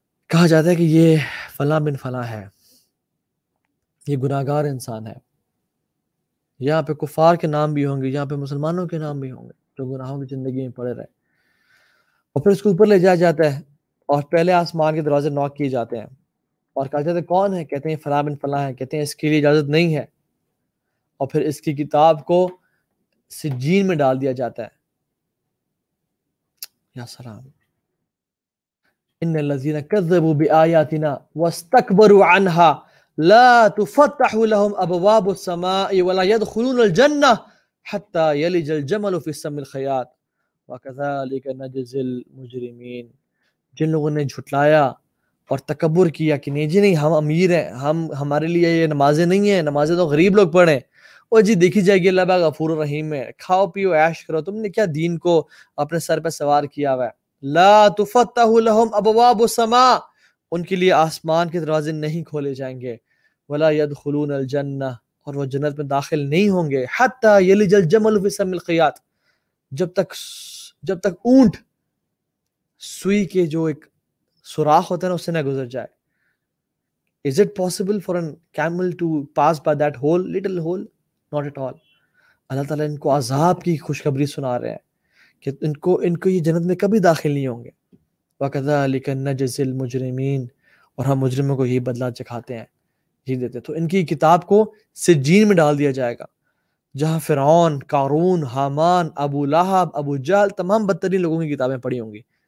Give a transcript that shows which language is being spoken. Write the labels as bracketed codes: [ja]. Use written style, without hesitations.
[ur] کہا جاتا ہے کہ یہ فلاں بن فلاں ہے, یہ گناہ گار انسان ہے, یہاں پہ کفار کے نام بھی ہوں گے, یہاں پہ مسلمانوں کے نام بھی ہوں گے جو گناہوں کی زندگی میں پڑے رہے. اور پھر اس کو اوپر لے جایا جاتا ہے اور پہلے آسمان کے دروازے ناک کیے جاتے ہیں اور کہا جاتا ہے کون ہے، کہتے ہیں فلاں بن فلاں ہے، کہتے ہیں اس کے لیے اجازت نہیں ہے، اور پھر اس کی کتاب کو سجین میں ڈال دیا جاتا ہے. [ar] یا سلام، ان الذین کذبوا بآیاتنا واستکبروا عنها لا تفتح لهم ابواب السماء ولا يدخلون الجنہ حتى يلج الجمل في سم الخیاط وكذلك نجزي المجرمين. [ur] جن لوگوں نے جھٹلایا اور تکبر کیا کہ نہیں جی نہیں ہم امیر ہیں، ہم ہمارے لیے یہ نمازیں نہیں ہیں، نمازیں تو غریب لوگ پڑھیں، اور جی دیکھی جائے گی اللہ پاک غفور الرحیم ہے، کھاؤ پیو عیش کرو، تم نے کیا دین کو اپنے سر پہ سوار کیا ہوا ہے. [ar] لا تفتح لهم ابواب السماء، [ur] ان کے لیے آسمان کے دروازے نہیں کھولے جائیں گے، [ar] ولا يدخلون الجنہ، [ur] اور وہ جنت میں داخل نہیں ہوں گے، [ar] حتی یلج الجمل فی سم الخیاط، [ur] جب تک اونٹ سوئی کے جو ایک سوراخ ہوتا ہے نا اس سے نہ گزر جائے. [en] Is it possible for a camel to pass by that hole, little hole? Not at all. [ur] اللہ تعالیٰ ان کو عذاب کی خوشخبری سنا رہے ہیں کہ ان کو یہ جنت میں کبھی داخل نہیں ہوں گے. [ar] وَكَذَلِكَ نَجْزِي الْمُجْرِمِينَ، [ur] اور ہم مجرموں کو یہ بدلہ چکھاتے ہیں، یہ دیتے ہیں. تو ان کی کتاب کو سجین میں ڈال دیا جائے گا، جہاں فرعون، قارون، حامان، ابو لہب، ابو جہل، تمام بدترین لوگوں کی کتابیں پڑھی ہوں گی.